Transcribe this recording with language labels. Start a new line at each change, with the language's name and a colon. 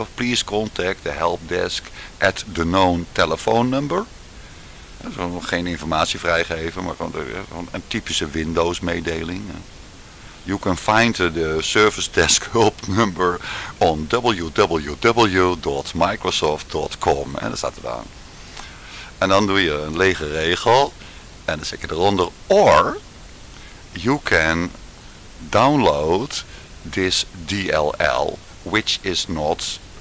English: Of please contact the helpdesk at the known telephone number.
Dutch: Geen informatie vrijgeven, maar gewoon een typische Windows-mededeling.
English: You can find the service desk help number on www.microsoft.com.
Dutch: En dat staat er dan. En dan doe je een lege regel. En dan zet je eronder.
English: Or, you can download this DLL, which is not...